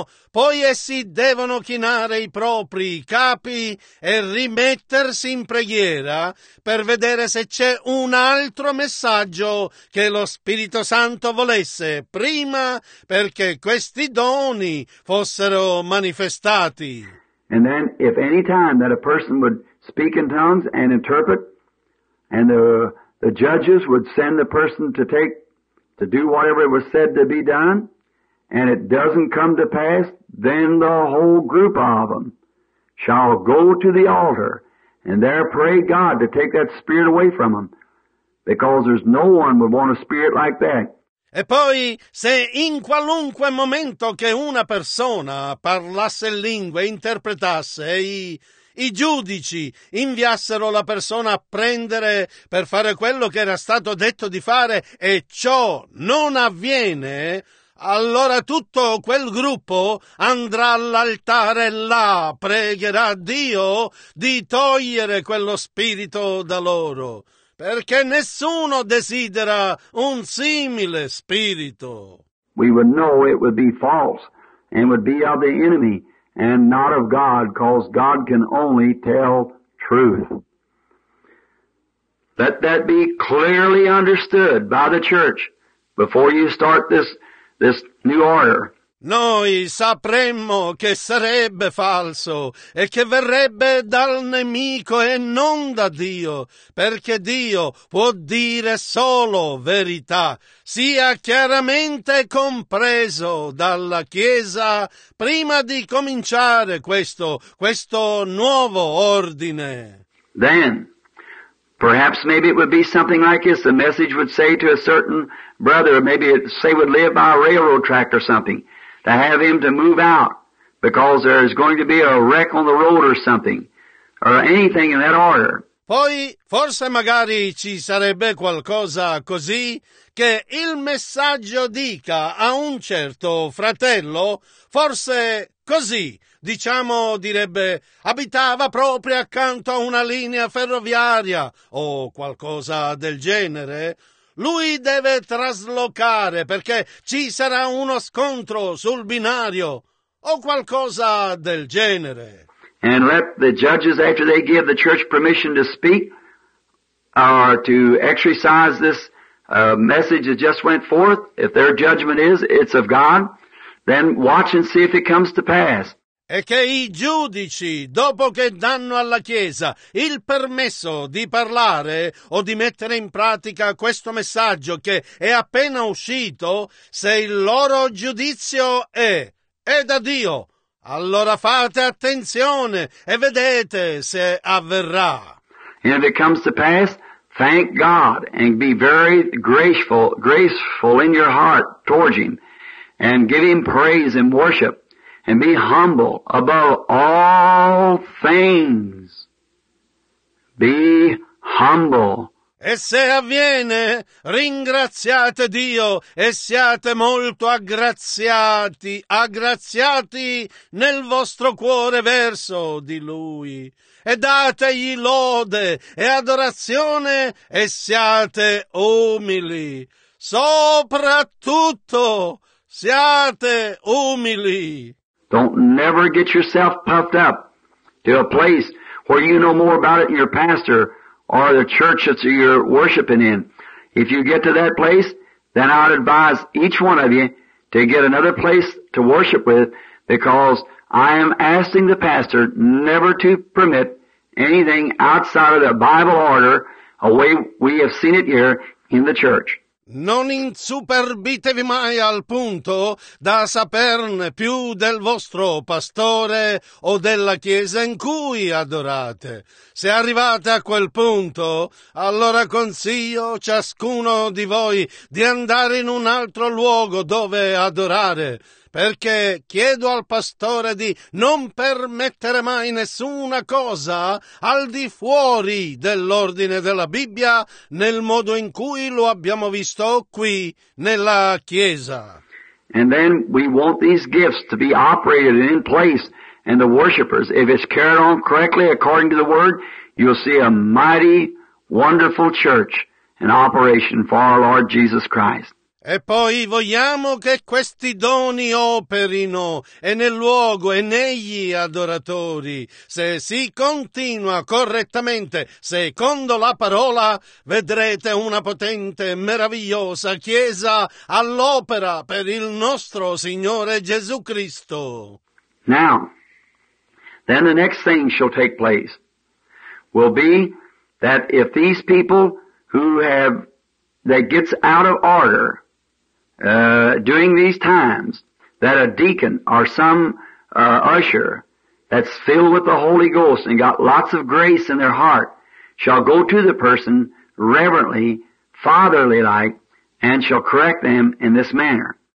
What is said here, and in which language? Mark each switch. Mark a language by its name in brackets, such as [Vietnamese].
[Italian] Poi essi devono chinare i propri capi e rimettersi in preghiera per vedere se c'è un altro messaggio che lo Spirito Santo volesse prima, perché questi doni fossero manifestati. [English] And then if any time that a person would speak in tongues and interpret, and the judges would send the person to do whatever was said to be done, and it doesn't come to pass, then the whole group of them shall go to the altar and there pray God to take that spirit away from them, because there's no one would want a spirit like that. [Italian] E poi, se in qualunque momento che una persona parlasse lingue, interpretasse, i giudici inviassero la persona a prendere per fare quello che era stato detto di fare, e ciò non avviene, allora tutto quel gruppo andrà all'altare e là pregherà Dio di togliere quello spirito da loro, perché nessuno desidera un simile spirito. [English] We would know it would be false and would be of the enemy and not of God, because God can only tell truth. Let that be clearly understood by the church before you start this new order. [Italian] Noi sapremmo che sarebbe falso e che verrebbe dal nemico e non da Dio, perché Dio può dire solo verità, sia chiaramente compreso dalla Chiesa prima di cominciare questo nuovo ordine. [English] Then, perhaps maybe it would be something like this, the message would say to a certain brother, maybe it say would live by a railroad track or something, to have him to move out because there is going to be a wreck on the road or something, or anything in that order. [Italian] Poi, forse magari ci sarebbe qualcosa così che il messaggio dica a un certo fratello, forse così, diciamo, direbbe, abitava proprio accanto a una linea ferroviaria o qualcosa del genere. Lui deve traslocare perché ci sarà uno scontro sul binario o qualcosa del genere. [English] And let the judges, after they give the church permission to speak or to exercise this message that just went forth, if their judgment is it's of God, then watch and see if it comes to pass. [Italian] E che i giudici, dopo che danno alla Chiesa il permesso di parlare o di mettere in pratica questo messaggio che è appena uscito, se il loro giudizio è da Dio, allora fate attenzione e vedete se avverrà. [English] And if it comes to pass, thank God and be very graceful in your heart towards Him and give Him praise and worship and be humble above all things. Be humble. [Italian] E se avviene, ringraziate Dio e siate molto aggraziati nel vostro cuore verso di Lui. E dategli lode e adorazione e siate umili. Soprattutto, siate umili. [English] Don't never get yourself puffed up to a place where you know more about it than your pastor or the church that you're worshiping in. If you get to that place, then I'd advise each one of you to get another place to worship with, because I am asking the pastor never to permit anything outside of the Bible order, a way we have seen it here in the church. [Italian] Non insuperbitevi mai al punto da saperne più del vostro pastore o della chiesa in cui adorate. Se arrivate a quel punto, allora consiglio ciascuno di voi di andare in un altro luogo dove adorare, perché chiedo al pastore di non permettere mai nessuna cosa al di fuori dell'ordine della Bibbia nel modo in cui lo abbiamo visto qui nella chiesa. [English] And then we want these gifts to be operated in place and the worshipers, if it's carried on correctly according to the word, you'll see a mighty wonderful church in operation for our Lord Jesus Christ. [Italian] E poi vogliamo che questi doni operino e nel luogo e negli adoratori. Se si continua correttamente, secondo la parola, vedrete una potente e meravigliosa Chiesa all'opera per il nostro Signore Gesù Cristo. [English] Now, then the next thing shall take place will be that if these people who have, that gets out of order, during these times, that a deacon or some usher that's filled with the Holy Ghost and got lots of grace in their heart shall go to the person reverently, fatherly-like, and shall correct them in this manner.